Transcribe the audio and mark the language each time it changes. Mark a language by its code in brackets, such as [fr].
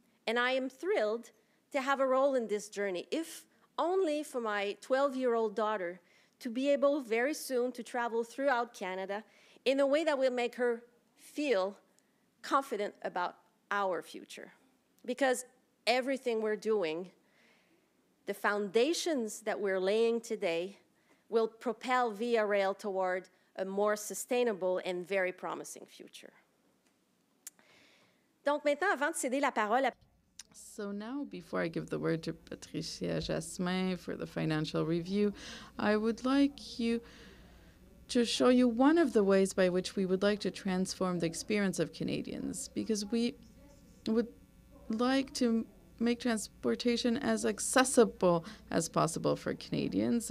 [en] And I am thrilled to have a role in this journey, if only for my 12-year-old daughter to be able very soon to travel throughout Canada in a way that will make her feel confident about our future. Because everything we're doing, the foundations that we're laying today, will propel Via Rail toward a more sustainable and very promising future. [fr] Donc maintenant, avant de céder la parole à... [en] So now, before I give the word to Patricia Jasmin for the financial review, I would like you to show you one of the ways by which we would like to transform the experience of Canadians, because we would like to make transportation as accessible as possible for Canadians.